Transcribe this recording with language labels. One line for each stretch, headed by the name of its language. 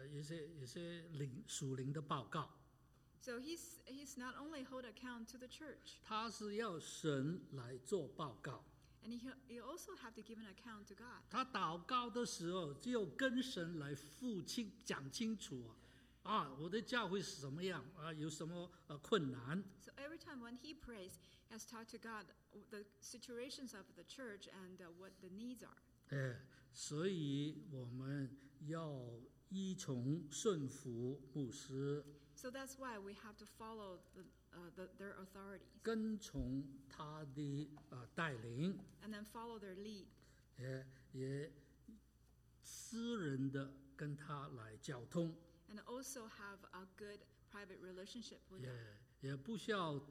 Chinese: 因为他不是要对教会有什么有些属灵的报告。
English: So he's not only hold account to the church.
Chinese: 他是要神来做报告。
English: And he also have to give an account to God.
Chinese: 他祷告的时候就跟神来父亲讲清楚啊。我的教会是什么样，有什么困难。
English: So every time when he prays, he has talked to God the situations of the church and what the needs are.
Chinese: 所以我们要依从顺服牧师。
English: So that's why we have to follow their authorities.
Chinese: 跟从他的带领。
English: And then follow their lead.
Chinese: 也私人的跟他来交通。
English: And also have a good private relationship with them.